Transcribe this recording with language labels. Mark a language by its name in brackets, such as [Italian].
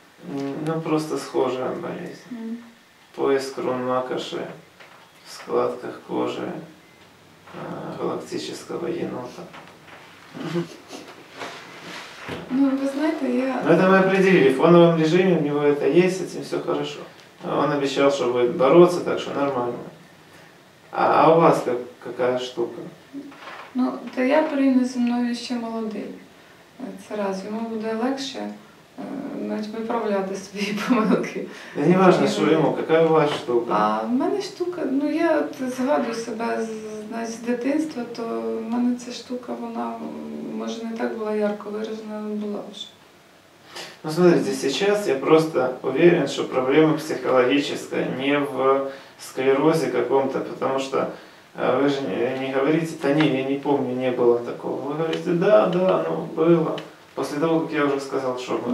[Russian] Ну, просто схожая болезнь. Поиск рун макоши в складках кожи. Галактического енота. Ну, вы знаете, я... Ну, это мы определили. В фоновом режиме у него это есть, с этим все хорошо. Он обещал, что будет бороться, так что нормально. А у вас как, какая штука? [Ukrainian] Ну, то я порівняно зі мною ще молодий. Це раз. Йому буде легше виправляти свої помилки. [Russian] Да не важно, [Ukrainian] що йому. [Russian] Какая у вас штука? [Ukrainian] А в мене штука... Ну, я згадую себе з... З дитинства, то в мене ця штука, вона, може, не так була ярко виражена, але була вже. [Russian] Ну, смотрите, сейчас я просто уверен, что проблема психологическая не в склерозе каком-то, потому что вы же не говорите, да не, я не помню, не было такого. Вы говорите, да, да, ну, было. После того, как я уже сказал, что было.